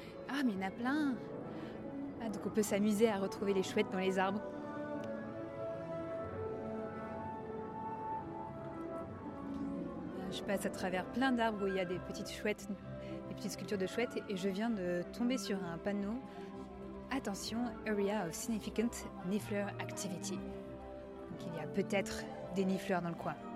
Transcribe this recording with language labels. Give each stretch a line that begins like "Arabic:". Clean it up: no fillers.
French: Ah, mais il y en a plein. Ah, donc on peut s'amuser à retrouver les chouettes dans les arbres. Je passe à travers plein d'arbres où il y a des petites chouettes, des petites sculptures de chouettes, et je viens de tomber sur un panneau.
English: Attention, Area of Significant Niffler Activity.
French: Donc il y a peut-être des niffleurs dans le coin.